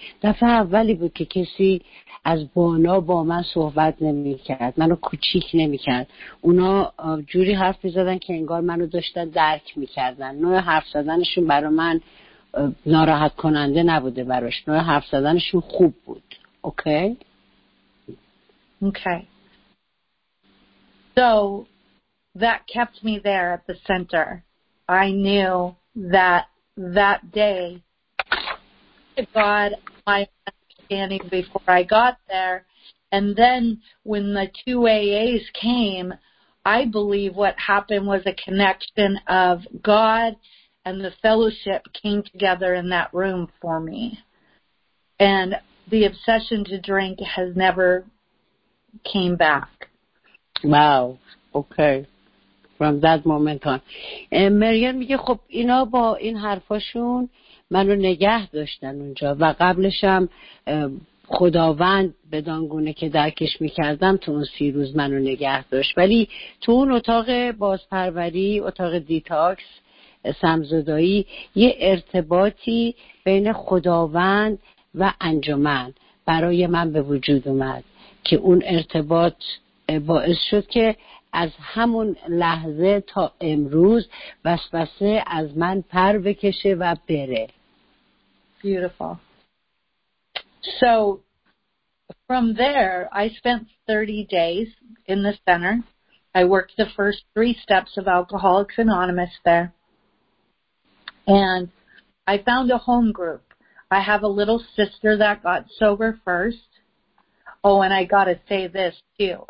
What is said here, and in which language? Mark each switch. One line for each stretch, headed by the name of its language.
Persian: دفعه اولی بود که کسی از بانا با من صحبت نمی کرد، منو کوچیک نمی کرد. اونا جوری حرف می زدن که انگار منو داشتن درک می کردن. نوع حرف زدنشون برای من ناراحت کننده نبوده، براش نوع حرف زدنشون خوب بود.
English: Okay? Okay. So that kept me there at the center. I knew that that day God my understanding before I got there. And then when the 2 AAs came, I believe what happened was a connection of God and the fellowship came together in that room for me. And the obsession to drink has never came back. Wow. Okay. From that moment on.
Persian: And Marianne میگه خب اینا با این حرفاشون منو نگه داشتن اونجا و قبلشم خداوند بدان گونه که درکش میکردم تو اون 30 روز منو نگه داشت، ولی تو اون اتاق بازپروری، اتاق دیتاکس سمزدایی، یه ارتباطی بین خداوند و انجمن برای من به وجود اومد که اون ارتباط باعث شد که از همون لحظه تا امروز وسوسه از من پر بکشه و بره.
English: Beautiful. So from there, I spent 30 days in the center. I worked the first 3 steps of Alcoholics Anonymous there. And I found a home group. I have a little sister that got sober first. Oh, and I got to say this too.